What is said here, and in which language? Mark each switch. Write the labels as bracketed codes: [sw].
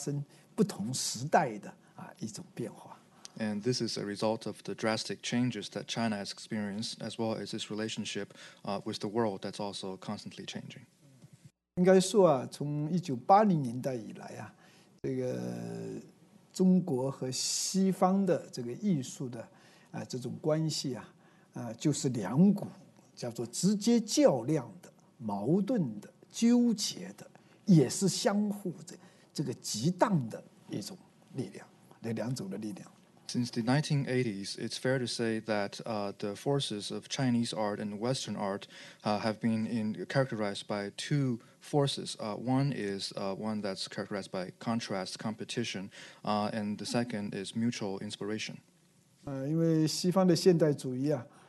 [zh] 这就是因为中国这个变化太大，中国和世界的关系也发生不同时代的一种变化。 [en] And this is a result of the drastic changes that China has experienced, as well as its relationship with the world that's also constantly changing. [zh] 应该说，从1980年代以来，这个中国和西方的这个艺术的这种关系，就是两股。叫做直接较量的、矛盾的、纠结的，也是相互这个激荡的一种力量，那两种的力量。 [en] Since the 1980s, it's fair to say that the forces of Chinese art and Western art have been characterized by two forces. One is one that's characterized by contrast, competition, and the second is mutual inspiration. [zh] 因为西方的现代主义啊。